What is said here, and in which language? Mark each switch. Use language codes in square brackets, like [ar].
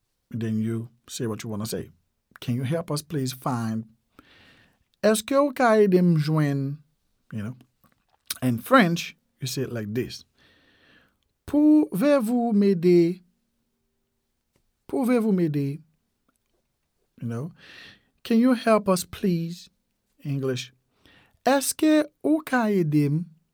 [en] Then you say what you want to say. Can you help us, please, find? [fr] Est-ce que vous pouvez m'aider? You know, in French, you say it like this. Pouvez-vous m'aider? Pouvez-vous m'aider? [en] You know, can you help us, please? English. [fr] Est-ce que vous pouvez m'aider?